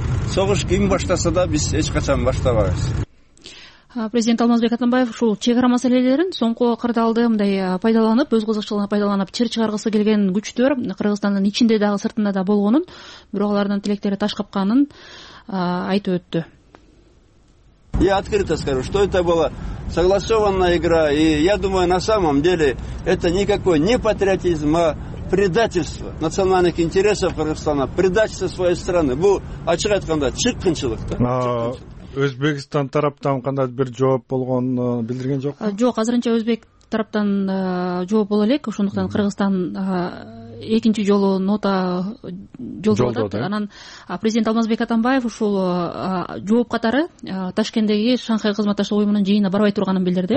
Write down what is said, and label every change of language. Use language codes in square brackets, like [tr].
[ky] Согуш ким баштаса да биз эч качан баштабайбыз. Президент Алмазбек Атамбаев ушул чек ара маселелерин соңку кырдаалды мындай пайдаланып, өз кызыкчылыгына пайдаланып чыр чыгаргысы келген күчтөр Кыргызстандын ичинде дагы сыртында да болгонун, бирок алардын тилектери таш капканын айтып өттү. [ru] Я открыто скажу, что это была согласованная игра, и я думаю, на самом деле это никакой не патриотизм, а предательство национальных интересов Кыргызстана, предательство своей страны. [ky] Бу ачык айтканда чыккынчылык да. Өзбекстан тараптан кандай бир жооп болгонун билдирген жок. Жок, азырынча өзбек тараптан жооп боло элек. Ошондуктан Кыргызстан экинчи жолу нота жолдоп атат. Анан президент Алмазбек Атамбаев ушул жооп катары Ташкенттеги Шанхай кызматташтык уюмунун жыйынына барбай турганын билдирди.